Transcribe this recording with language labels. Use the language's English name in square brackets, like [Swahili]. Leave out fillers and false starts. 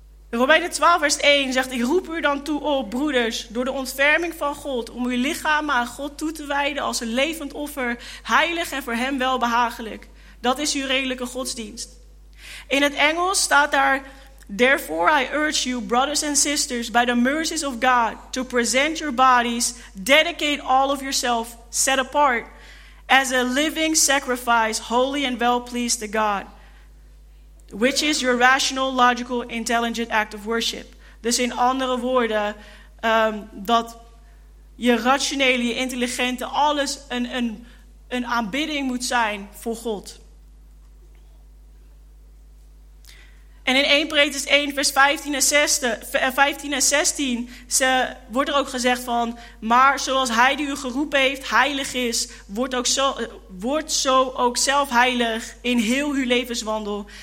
[Dutch] Romeinen 12 vers 1 zegt, ik roep u dan toe op, broeders, door de ontferming van God, om uw lichaam aan God toe te wijden als een levend offer, heilig en voor hem welbehagelijk. Dat is uw redelijke godsdienst. [English] In het Engels staat daar, therefore I urge you, brothers and sisters, by the mercies of God, to present your bodies, dedicate all of yourself, set apart, as a living sacrifice, holy and well-pleased to God, which is your rational, logical, intelligent act of worship. [Dutch] Dus in andere woorden, dat je rationele, je intelligente, alles een aanbidding moet zijn voor God. En in 1 Petrus 1 vers 15 en 16 wordt er ook gezegd van, maar zoals hij die u geroepen heeft heilig is, wordt zo ook zelf heilig in heel uw levenswandel.